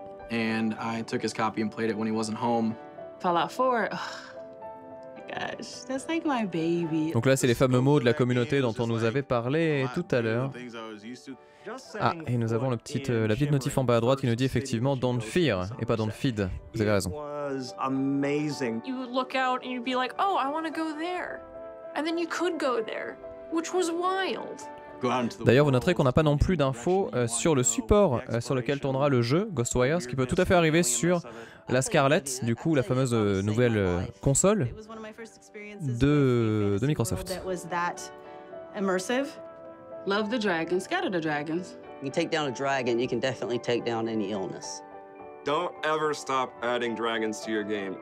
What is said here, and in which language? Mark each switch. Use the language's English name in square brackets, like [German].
[English] And I took his copy and played it when he wasn't home. Fallout 4, oh my gosh, that's like my baby. [French] Donc là, c'est les fameux mots de la communauté dont on nous avait parlé tout à l'heure. Ah, et nous avons la petite notif en bas à droite qui nous dit effectivement « Don't fear » et pas « Don't feed ». Vous avez raison. [English] You would look out and you'd be like, oh, I want to go there. And then you could go there, which was wild. [French] D'ailleurs, vous noterez qu'on n'a pas non plus d'infos sur le support sur lequel tournera le jeu Ghostwire, ce qui peut tout à fait arriver sur la Scarlett, du coup la fameuse nouvelle console de Microsoft. [English] Love the dragons, scatter the dragons. You take down a dragon, you can definitely take down any illness. Don't ever stop adding dragons to your game.